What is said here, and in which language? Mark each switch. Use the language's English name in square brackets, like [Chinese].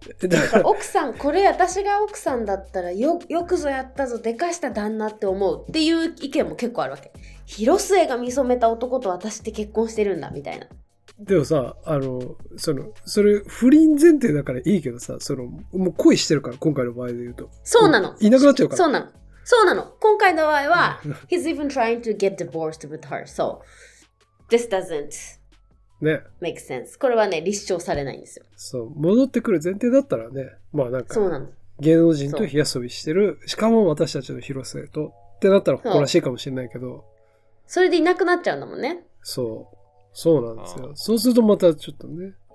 [Japanese] だから奥さん、これ私が奥さんだったら よくぞやったぞ、でかした旦那って思うっていう意見も結構あるわけ。広末が見初めた男と私って結婚してるんだみたいな。でもさ、あのそのそれ不倫前提だからいいけどさ、そのもう恋してるから今回の場合で言うと。そうなの、いなくなっちゃうから。そうなの、そうなの。今回の場合は [English] He's even trying to get divorced with her. So this doesn't [Japanese] ね。 [English] makes sense。 [Japanese] これはね、立証されないんですよ。そう。戻ってくる前提だったらね、まあなんか、そうなの。芸能人と火遊びしてる、しかも私たちの広末と、ってなったら誇らしいかもしれないけど。それでいなくなっちゃうんだもんね。そう。そうなんですよ。そうするとまたちょっとね。